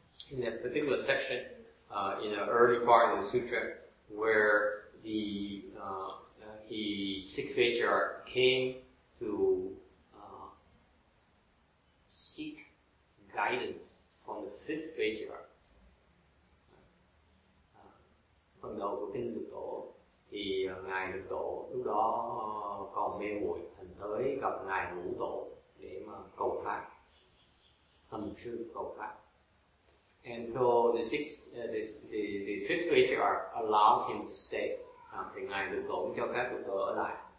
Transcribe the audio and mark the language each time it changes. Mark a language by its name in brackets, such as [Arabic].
[English] In that particular section, in an early part of the sutra, where the he six patriarch came to seek guidance from the fifth patriarch, [Vietnamese] phần đầu của kinh Lục Tổ, thì ngài Lục Tổ lúc đó còn mê muội, thành tới gặp ngài Ngũ Tổ để mà cầu pháp, tâm sư cầu pháp. [English] And so the fifth patriarch allowed him to stay. [Vietnamese] Thì ngài Lục Tổ cho phép Lục Tổ ở lại.